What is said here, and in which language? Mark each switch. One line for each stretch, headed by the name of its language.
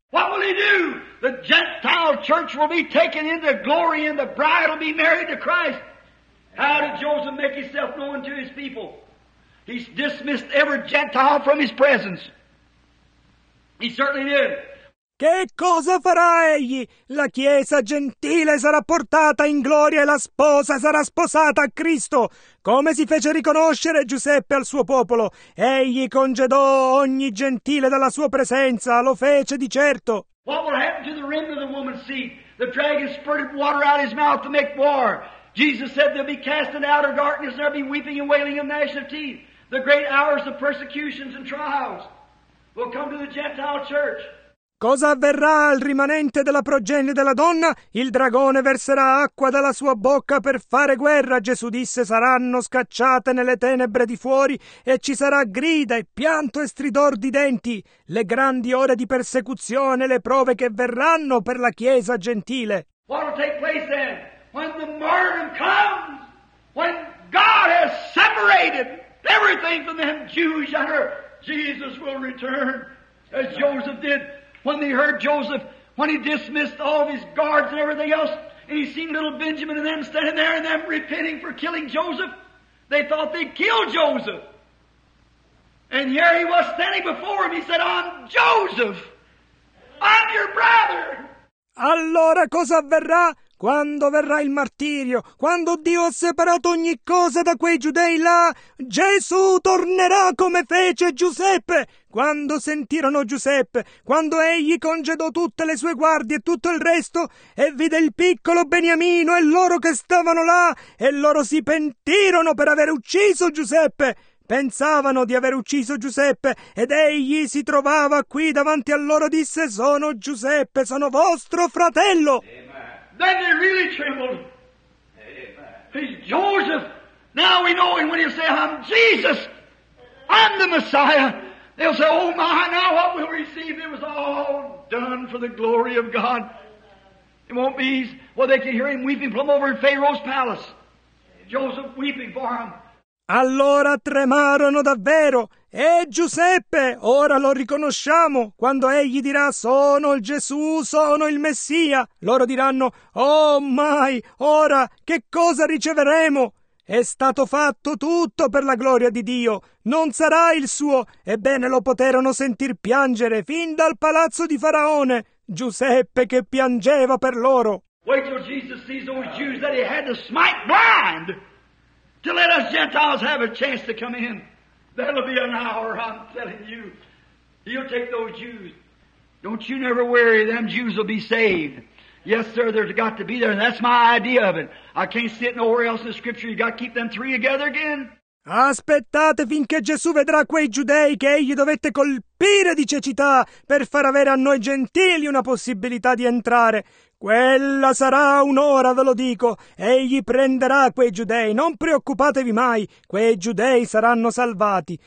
English: What will he do? The Gentile church will be taken into glory and the bride will be married to Christ. How did Joseph make himself known to his people? He's dismissed every Gentile from his presence. He certainly did.
Italian: Che cosa farà egli? La chiesa gentile sarà portata in gloria e la sposa sarà sposata a Cristo. Come si fece riconoscere Giuseppe al suo popolo? Egli congedò ogni gentile dalla sua presenza, lo fece di certo.
English: What will happen to the remnant of the woman's seed? The dragon spurted water out of his mouth to make war. Jesus said they'll be cast into outer darkness, there'll be weeping and wailing and gnashing of teeth. The great hours of persecutions and trials will come to the Gentile church.
Italian: Cosa avverrà al rimanente della progenie della donna? Il dragone verserà acqua dalla sua bocca per fare guerra. Gesù disse, saranno scacciate nelle tenebre di fuori e ci sarà grida e pianto e stridor di denti. Le grandi ore di persecuzione, le prove che verranno per la chiesa gentile.
English: What will take place then? When the martyrdom comes, when God has separated everything from them Jews under, Jesus will return as Joseph did. When they heard Joseph, when he dismissed all of his guards and everything else, and he seen little Benjamin and them standing there and them repenting for killing Joseph, they thought they'd kill Joseph. And here he was standing before him. He said, I'm Joseph. I'm your brother.
Italian: Allora cosa avverrà? Quando verrà il martirio, quando Dio ha separato ogni cosa da quei giudei là, Gesù tornerà come fece Giuseppe. Quando sentirono Giuseppe, quando egli congedò tutte le sue guardie e tutto il resto, e vide il piccolo Beniamino e loro che stavano là, e loro si pentirono per aver ucciso Giuseppe. Pensavano di aver ucciso Giuseppe, ed egli si trovava qui davanti a loro, disse, sono Giuseppe, sono vostro fratello.
English: Then they really trembled. Amen. He's Joseph. Now we know him when he'll say, I'm Jesus. I'm the Messiah. They'll say, oh my, now what we'll receive. It was all done for the glory of God. It won't be easy. Well, they can hear him weeping from over in Pharaoh's palace. Joseph weeping for him.
Italian: Allora tremarono davvero. E Giuseppe, ora lo riconosciamo, quando egli dirà, sono il Gesù, sono il Messia. Loro diranno, oh mai, ora, che cosa riceveremo? È stato fatto tutto per la gloria di Dio, non sarà il suo. Ebbene, lo poterono sentir piangere fin dal palazzo di Faraone, Giuseppe che piangeva per loro.
English: Wait till Jesus sees those Jews that he had to smite blind to let us Gentiles have a chance to come in. That'll be an hour, I'm telling you. He'll take those Jews. Don't you never worry, them Jews will be saved. Yes, sir, there's got to be there, and that's my idea of it. I can't see it nowhere else in the Scripture. You got to keep them three together again.
Italian: Aspettate finché Gesù vedrà quei giudei che egli dovette colpire di cecità per far avere a noi gentili una possibilità di entrare. Quella sarà un'ora, ve lo dico. Egli prenderà quei giudei, non preoccupatevi mai, quei giudei saranno salvati.